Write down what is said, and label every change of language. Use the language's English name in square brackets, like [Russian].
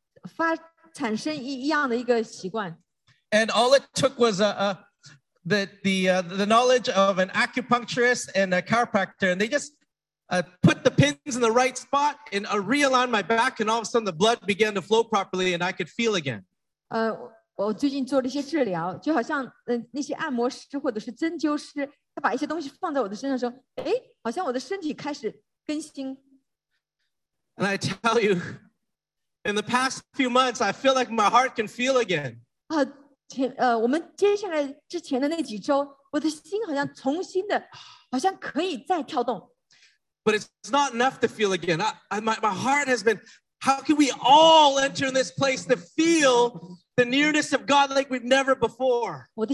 [Chinese] 最近我产生一样的一个习惯. [English] And all it took was the knowledge of an acupuncturist and a chiropractor, and they just put the pins in the right spot and realigned my back, and all of a sudden the blood began to flow properly, and I could feel again. [Chinese] 我最近做了一些治疗，就好像那些按摩师或者是针灸师，他把一些东西放在我的身上，说，哎，好像我的身体开始更新。 [English] And I tell you, in the past few months, I feel like my heart can feel again. [Chinese] 我们接下来之前的那几周，我的心好像重新的，好像可以再跳动。 [English] But it's not enough to feel again. My heart has been, how can we all enter this place to feel the nearness of God like we've never before?